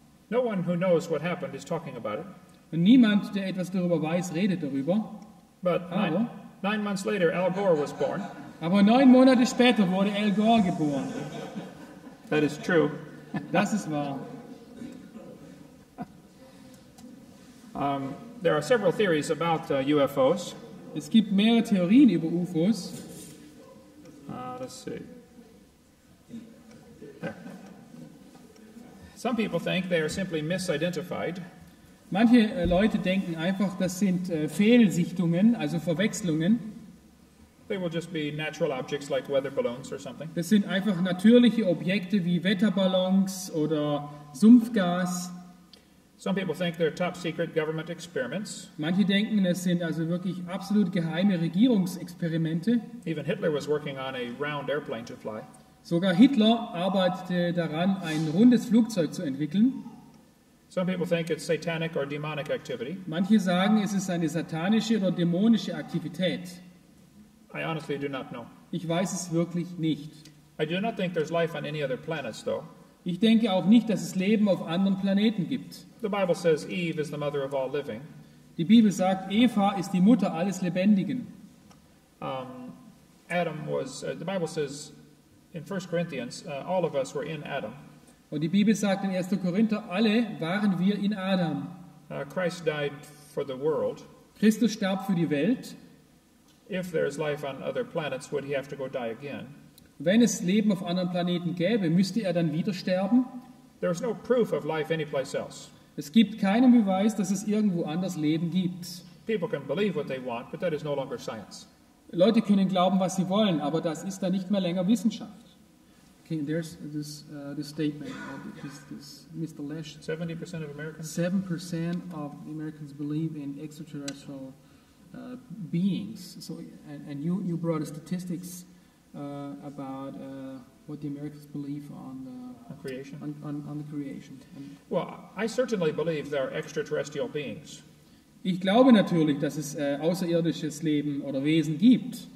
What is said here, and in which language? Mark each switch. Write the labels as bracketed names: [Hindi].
[English] No one who knows what happened is talking about it. [German] Und niemand, der etwas darüber weiß, redet darüber. [English] But nine months later, Al Gore was born. [German] Aber 9 Monate später wurde Al Gore geboren. [English] That is true. [German] Das ist wahr. [English] There are several theories about UFOs. [German] Es gibt mehrere Theorien über UFOs. [English] Let's see. There. Some people think they are simply misidentified. [German] Manche Leute denken einfach, das sind Fehlsichtungen, also Verwechslungen. [English] They will just be natural objects like weather balloons or something. [German] Das sind einfach natürliche Objekte wie Wetterballons oder Sumpfgas. [English] Some people think they're top secret government experiments. [German] Manche denken, es sind also wirklich absolut geheime Regierungsexperimente. [English] Even Hitler was working on a round airplane to fly. [German] Sogar Hitler arbeitete daran, ein rundes Flugzeug zu entwickeln. [English] Some people think it's satanic or demonic activity. [German] Manche sagen, es ist eine satanische oder dämonische Aktivität. [English] I honestly do not know. [German] Ich weiß es wirklich nicht. [English] I do not think there's life on any other planets, though. [German] Ich denke auch nicht, dass es Leben auf anderen Planeten gibt. [English] The Bible says Eve is the mother of all living. [German] Die Bibel sagt, Eva ist die Mutter alles Lebendigen. [English] Adam was. The Bible says in 1 Corinthians, all of us were in Adam. [German] Und die Bibel sagt in 1. Korinther, alle waren wir in Adam. [English] Christ died for the world. [German] Christus starb für die Welt. [English] If there is life on other planets, would he have to go die again? [German] Wenn es Leben auf anderen Planeten gäbe, müsste er dann wieder sterben? [English] There is no proof of life anyplace else. [German] Es gibt keinen Beweis, dass es irgendwo anders Leben gibt. [English] People can believe what they want, but that is no longer science. [German] Leute können glauben, was sie wollen, aber das ist dann nicht mehr länger Wissenschaft. [English] Okay, there's this this statement of this Mr. Lesh. 70% of Americans. 7% of Americans believe in extraterrestrial beings. So, and you brought a statistics about what the Americans believe on the creation. On the creation. And well, I certainly believe there are extraterrestrial beings. [German] Ich glaube natürlich, dass es außerirdisches Leben oder Wesen gibt.